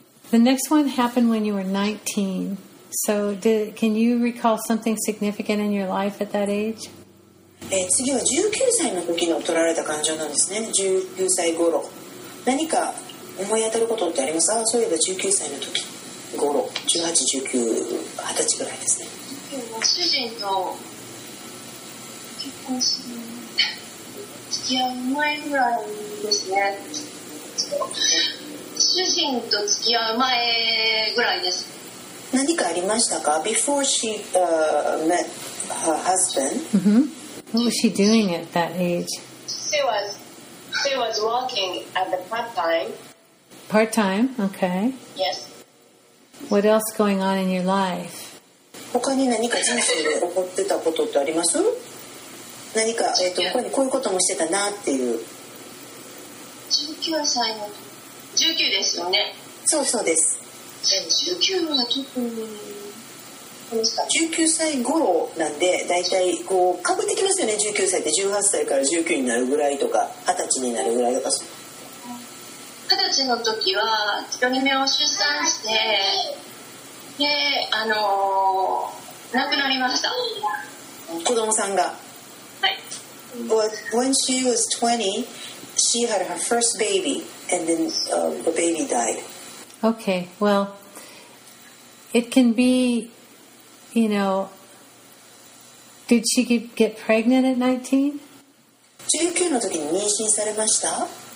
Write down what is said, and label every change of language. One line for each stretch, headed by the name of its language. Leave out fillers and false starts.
English: The next one happened when you were 19. So can you recall something significant in your life at that age?
Japanese: 次は19歳の時の取られた感情なんですね。19歳頃何か思い当たることってありますか？そういえば19歳の時頃、18、19、20歳ぐらいですね。主人と結婚する、付き合う前ぐらいですね。主人と付き合う前ぐらいです。何かありましたか？
English: Before she met her husband、 mm-hmm. What was she doing at that age? She was working at the part-time. Part-time, okay. Yes. What else going on in your life?
Japanese: 他に何か人生で起こってたことってあります？何か、他にこういうこともしてたなっていう。 19歳の、19ですよね。そうそうです。 19は特に、 19歳頃なんで、だいたいこう被ってきますよね。 19歳って18歳から19になるぐらいとか、20歳になるぐらいとか。 20歳の時は一人目を出産して、で亡くなりました。子供さんが、はい。
English: But when she was 20 she had her first baby and then the baby died. Okay, well, it can be, you know, did she get pregnant at 19?
Japanese: 19の時に妊娠されました?